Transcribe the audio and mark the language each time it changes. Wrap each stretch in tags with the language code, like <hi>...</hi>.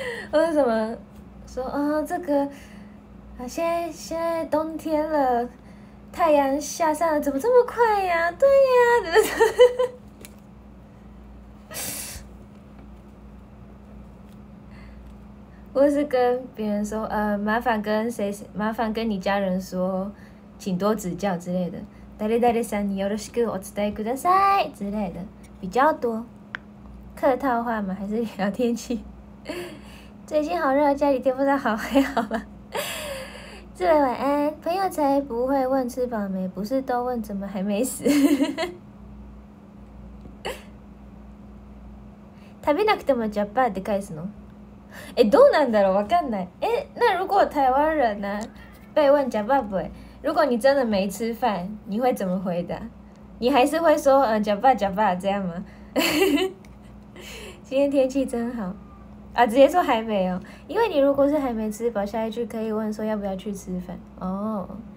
<zh>我说什么？说这个，现在冬天了，太阳下山了，怎么这么快呀？对呀，真的是。我是跟别人说，麻烦跟谁？麻烦跟你家人说。请多指教之类的，</zh> <ja>誰誰さんによろしくお伝えください</ja> <zh>之类的比较多。客套话吗？还是聊天气？最近好热，家里电风扇好还好吗？这位晚安，朋友才不会问吃饱没，不是都问怎么还没死。</zh> <ja>食べなくてもジャパーって返すの？どうなんだろう、わかんない。</ja> <zh>那如果台湾人呢、啊、被问ジャパーって？如果你真的没吃饭，你会怎么回答？你还是会说“假爸假爸”这样吗？今天天气真好啊！直接说还没哦，因为你如果是还没吃饱，下一句可以问说要不要去吃饭哦。</zh>